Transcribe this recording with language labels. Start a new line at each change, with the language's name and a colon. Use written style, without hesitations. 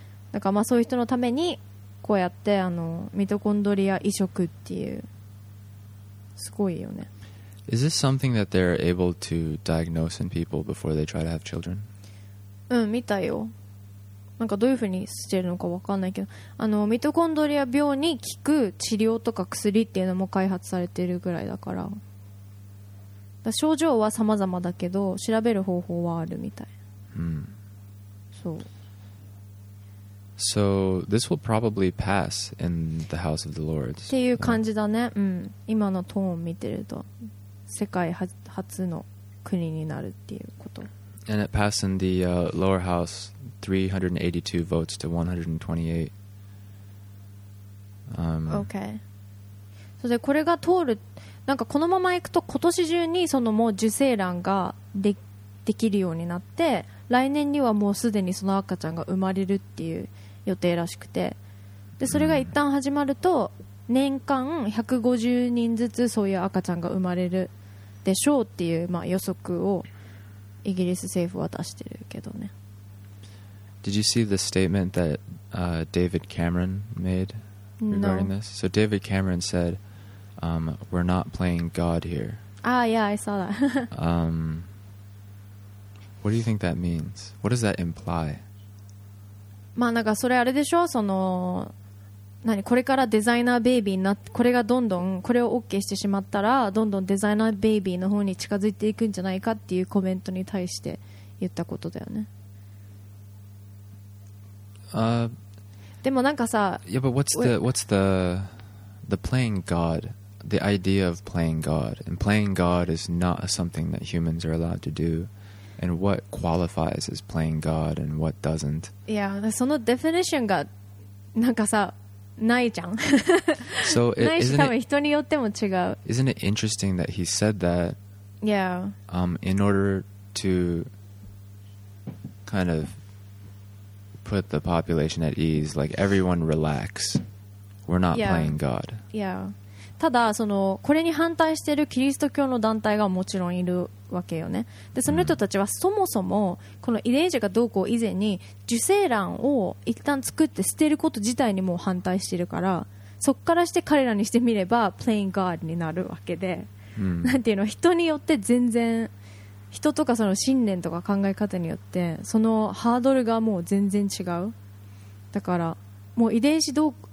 Japanese: だからまあそういう人のためにこうやってミトコンドリア移植っていう、すごいよね。
English: Is this something that they're able to diagnose in people before they try to have children?
Japanese: うん、見たよ。なんかどういうふうにしてるのか分かんないけど、ミトコンドリア病に効く治療とか薬っていうのも開発されてるぐらいだから、だから症状は様々だけど調べる方法はあるみたい。そう。
English: So this will probably pass in the house of the Lord.
Japanese: っていう感じだね。今のトーンを見てると世界初の国になるっていうこと。
English: And it passed in the lower house 382 votes to 128. Okay.
Japanese: So, でこれが通る、なんかこのままいくと今年中にそのもう受精卵が できるようになって、来年にはもうすでにその赤ちゃんが生まれるっていう予定らしくて、でそれが一旦始まると年間150人ずつそういう赤ちゃんが生まれるでしょうっていう、まあ予測をイギリス政府は出してるけどね。
English: Did you see the statement that David Cameron made regarding this? So David Cameron said, "We're not playing God here." Ah, yeah, I saw that. What do you think that means? What does that imply?
Japanese: まあなんかそれあれでしょ。その何これからデザイナーベイビーになって、これがどんどんこれを OK してしまったらどんどんデザイナーベイビーの方に近づいていくんじゃないかっていうコメントに対して言ったことだよね。でもなんかさ、
English: Yeah, but what's the playing God, the idea of playing God, and playing God is not something that humans are allowed to do. And what qualifies as playing God and what doesn't?
Japanese: Yeah, そのデフィニッションがなんかさないじゃん。
English: So
Japanese: ないし、多分人によっても違う。
English: Isn't it interesting that he said that? Yeah. In order to kind of put the population at ease, like everyone relax, we're not playing God. Yeah.
Japanese: ただそのこれに反対しているキリスト教の団体がもちろんいる。わけよね。でその人たちはそもそもこの遺伝子がどうこう以前に受精卵を一旦作って捨てること自体にもう反対してるから、そっからして彼らにしてみれば
English: playing God
Japanese: になるわけで、なんていうの、人によって全然、人とかその信念とか考え方によってそのハードルがもう全然違う。だからもう遺伝子どう